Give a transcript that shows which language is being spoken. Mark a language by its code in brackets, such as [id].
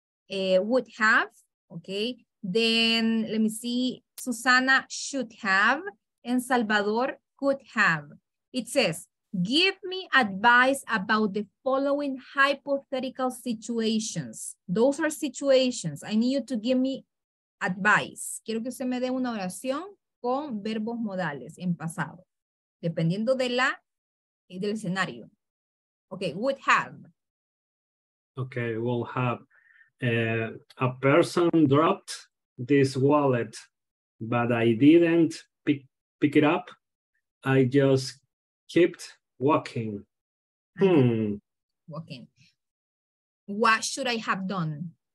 [en] Would have, okay. Then let me see, Susana should have, and Salvador could have. It says, give me advice about the following hypothetical situations. Those are situations. I need you to give me advice. [es] Quiero que usted me dé una oración con verbos modales en pasado, dependiendo de la del escenario. [en] Okay, would have. Okay, will have. A person dropped this wallet, but I didn't pick it up. I just kept walking. Walking. What should I have done?